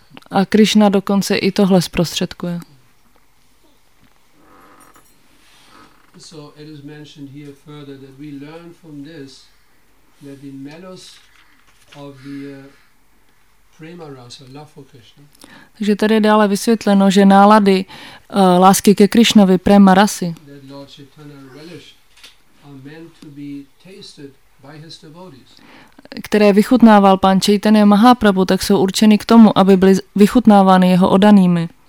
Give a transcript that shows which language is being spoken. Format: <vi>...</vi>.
<cs>A Krišna dokonce i tohle zprostředkuje.</cs> <en>So it is mentioned here further that we learn from this that the melos of the prema rasa, love for Krishna.</en> <cs>Takže tady je dále vysvětleno, že nálady lásky ke Krišnovi, prema rasy,</cs> <en>that Lord Chaitanya relished, are meant to be tasted by his devotees.</en> <cs>Které vychutnával pán Chaitanya Mahaprabhu, tak jsou určeny k tomu, aby byly vychutnávány jeho odanými.</cs>